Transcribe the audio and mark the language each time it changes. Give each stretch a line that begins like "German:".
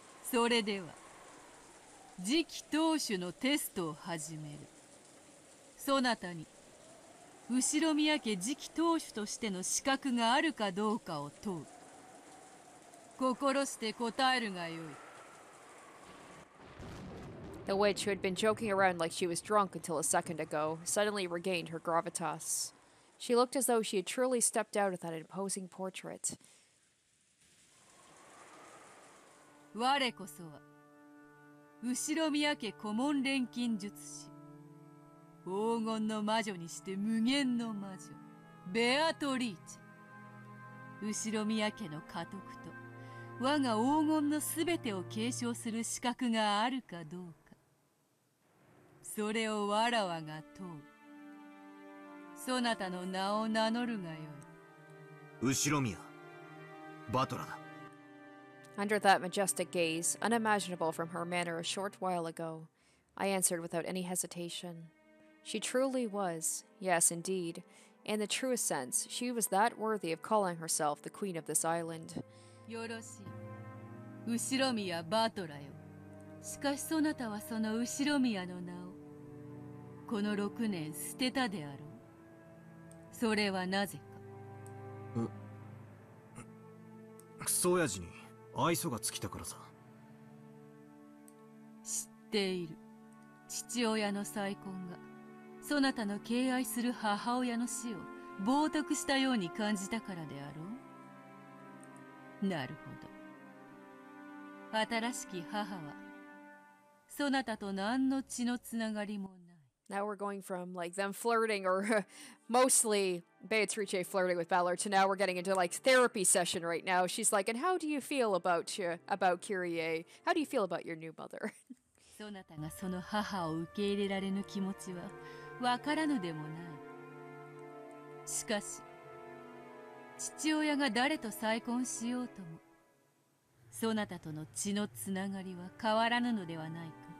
Japanese: それでは次期当主のテストを始める。そなたに 後ろ宮家次期当主としての資格があるかどうかを問う。心して答えるがよい。
English: The witch, who had been joking around like she was drunk until a second ago, suddenly regained her gravitas. She looked as though she had truly stepped out of that imposing portrait.
Japanese: 我こそは Ushiromiya 家顧問錬金術師黄金の魔女にして無限の魔女ベアトリーチ Ushiromiya 家の家督と我が黄金のすべてを継承する資格があるかどうかそれをわらわが問うそなたの名を名乗るがよい Ushiromiya バトラだ
English: Under that majestic gaze, unimaginable from her manner a short while ago, I answered without any hesitation. She truly was, yes, indeed. In the truest sense, she was that worthy of calling herself the queen of this island.
Japanese: よろしい。ウシロミヤ・バトラよ。しかしそなたはそのウシロミヤの名をこの六年捨てたであろう。それはなぜか。クソ親父に。愛想が尽きたからさ知っている父親の再婚がそなたの敬愛する母親の死を冒涜したように感じたからであろうなるほど新しき母はそなたと何の血のつながりもない
English: Now we're going from like them flirting or mostly Beatrice flirting with Valor, to now we're getting into like therapy session right now. She's like, and how do you feel about you, about Kyrie? How do you feel about your new mother?
Japanese: そなたがその母を受け入れられぬ気持ちはわからぬでもない。しかし、父親が誰と再婚しようとも、そなたとの血のつながりは変わらぬのではないか。